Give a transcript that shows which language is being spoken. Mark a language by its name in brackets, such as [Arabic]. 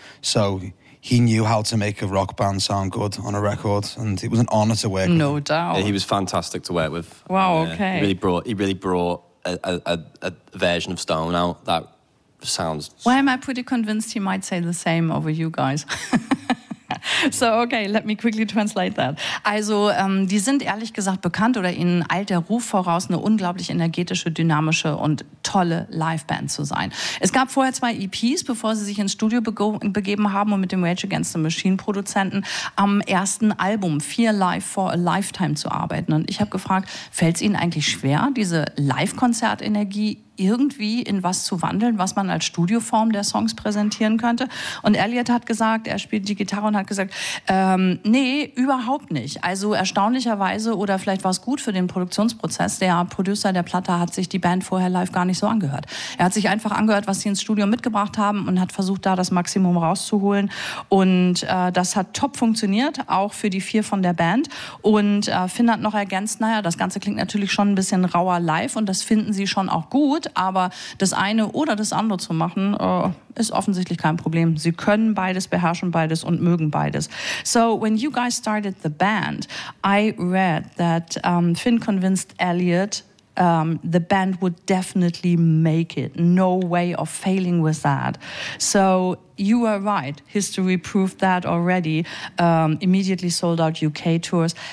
[English] So he knew how to make a rock band sound good on a record, and it was an honor to work no No doubt. Yeah, he was fantastic to work with. Wow, okay. He really brought a version of Stone out that sounds... Well, am I pretty convinced he might say the same over you guys? So, okay, let me quickly translate that. [German] Also, die sind ehrlich gesagt bekannt oder ihnen eilt der Ruf voraus, eine unglaublich energetische, dynamische und tolle Liveband zu sein. Es gab vorher zwei EPs, bevor sie sich ins Studio begeben haben und mit dem Rage Against the Machine Produzenten am ersten Album, Fear Live for a Lifetime, zu arbeiten. Und ich habe gefragt, fällt es ihnen eigentlich schwer, diese Live-Konzert-Energie irgendwie in was zu wandeln, was man als Studioform der Songs präsentieren könnte. Und Elliot hat gesagt, er spielt die Gitarre und hat gesagt, nee, überhaupt nicht. Also erstaunlicherweise, oder vielleicht war es gut für den Produktionsprozess, der Producer der Platte hat sich die Band vorher live gar nicht so angehört. Er hat sich einfach angehört, was sie ins Studio mitgebracht haben und hat versucht, da das Maximum rauszuholen. Und das hat top funktioniert, auch für die vier von der Band. Und Finn hat noch ergänzt, naja, das Ganze klingt natürlich schon ein bisschen rauer live und das finden sie schon auch gut. Aber das eine oder das andere zu machen, ist offensichtlich kein Problem. Sie können beides, beherrschen beides und mögen beides. [English] So, when you guys started the band, I read that Finn convinced Elliot the band would definitely make it. No way of failing with that. So, you were right. History proved that already. Immediately sold out UK tours.